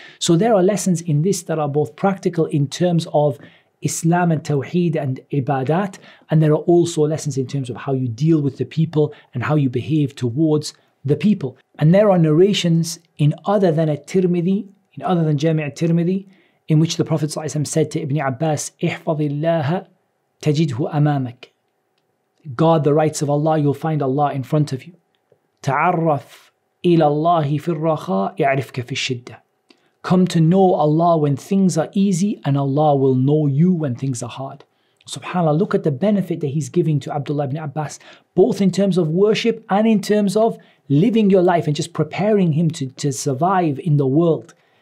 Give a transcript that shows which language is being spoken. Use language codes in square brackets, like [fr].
[en] So there are lessons in this that are both practical in terms of Islam and Tawheed and Ibadat, and there are also lessons in terms of how you deal with the people and how you behave towards the people. And there are narrations in other than At-Tirmidhi, in other than Jami' At-Tirmidhi, in which the Prophet ﷺ said to Ibn Abbas, [ar] احفظِ الله تجده أمامك. [en] Guard the rights of Allah, you'll find Allah in front of you. [ar] تعرف إلى الله في الرخاء يعرفك في الشدة. [en] Come to know Allah when things are easy, and Allah will know you when things are hard. SubhanAllah, look at the benefit that he's giving to Abdullah ibn Abbas, both in terms of worship and in terms of living your life and just preparing him to survive in the world.